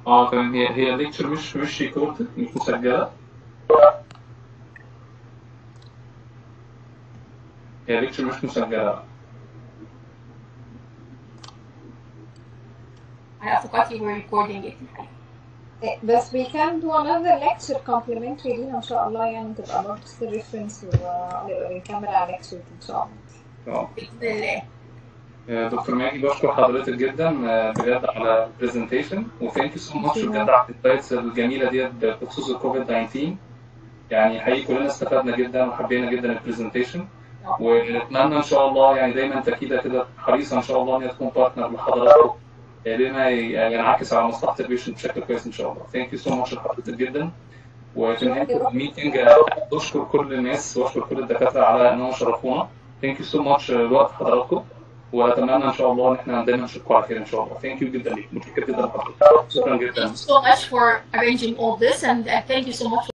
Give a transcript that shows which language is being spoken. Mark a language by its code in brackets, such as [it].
[ar] كان هي lecture مش recorded مسجلة. هي lecture مش مسجلة. [en] I forgot you were recording it. But we can do another lecture complimentary, inshallah, [ar] يعني تبقى برضه في [en] reference للكاميرا lecture ان شاء [ar] الله. دكتور ماجي بشكر حضرتك جدا بجد على البرزنتيشن و [en] thank you so much [ar] بجد على الانسايتس الجميله ديت بخصوص الكوفيد 19. يعني حقيقي كلنا استفدنا جدا وحبينا جدا البرزنتيشن. ونتمنى ان شاء الله يعني دايما تاكيده كده حريصه ان شاء الله ان هي تكون بارتنر لحضراتكم. لما ينعكس على مصلحة البيشن بشكل كويس إن شاء الله. [en] Thank you so much [ar] لحضرتك جدا. وتنهي الميتنج. اشكر كل الناس واشكر كل الدكاتره على انهم شرفونا. [en] thank you so much [ar] لوقت حضراتكم، واتمنى ان شاء الله ان احنا دايما نشوفكم على خير ان شاء الله. [en] thank you [ar] جدا ليك، متشكر جدا لحضرتك، شكرا جدا. [en] Thank you so much for arranging all this and thank you so much.